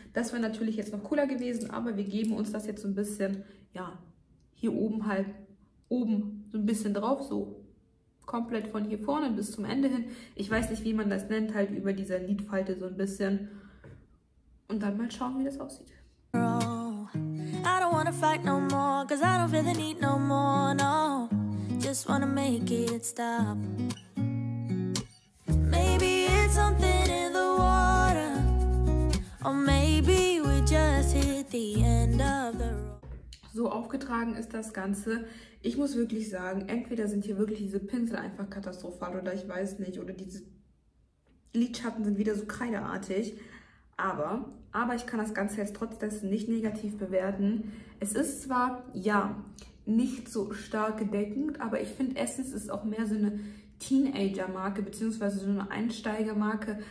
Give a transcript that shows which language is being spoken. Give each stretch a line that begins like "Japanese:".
German: Das wäre natürlich jetzt noch cooler gewesen, aber wir geben uns das jetzt so ein bisschen, ja, hier oben halt, oben so ein bisschen drauf, so komplett von hier vorne bis zum Ende hin. Ich weiß nicht, wie man das nennt, halt über dieser Lidfalte so ein bisschen. Und dann mal schauen, wie das aussieht.
English: I don't wanna fight no more, cause I don't feel the need no more, no. Just wanna make it stop. Maybe it's something in the water, or maybe we just hit the end of the road.
German: So aufgetragen ist das Ganze. Ich muss wirklich sagen, entweder sind hier wirklich diese Pinsel einfach katastrophal oder ich weiß nicht, oder diese Lidschatten sind wieder so kreideartig. Aber ich kann das Ganze jetzt trotzdem nicht negativ bewerten. Es ist zwar, ja, nicht so stark gedeckend, aber ich finde, Essence ist auch mehr so eine Teenager-Marke, beziehungsweise so eine Einsteiger-Marke.